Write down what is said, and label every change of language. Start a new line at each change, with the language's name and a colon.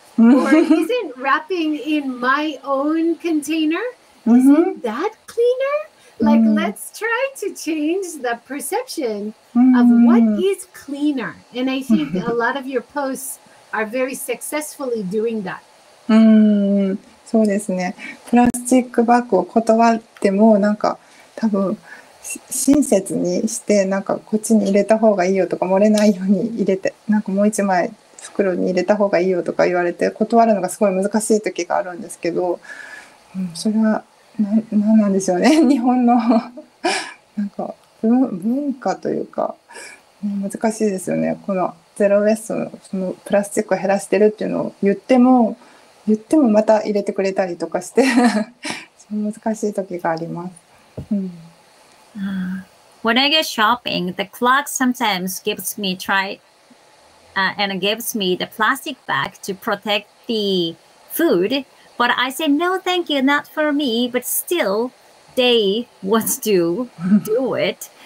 English: Or isn't wrapping in my own container, isn't that cleaner? Like, let's try to change the perception of what is cleaner. And I think a lot of your posts are very successfully doing that.
Japanese: そうですね。プラスチックバッグを断っても、なんか多分親切にして、なんかこっちに入れた方がいいよとか、漏れないように入れて、なんかもう一枚袋に入れた方がいいよとか言われて断るのがすごい難しい時があるんですけど、それは何なんでしょうね、日本のなんか文化というか難しいですよね。このゼロウェストのそのプラスチックを減らしてるっていうのを言ってもまた入れてくれたりとかして難しい時があります。
English: When I get shopping, the clock sometimes gives me and it gives me the plastic bag to protect the food. But I say, no, thank you, not for me. But still, they want to do it.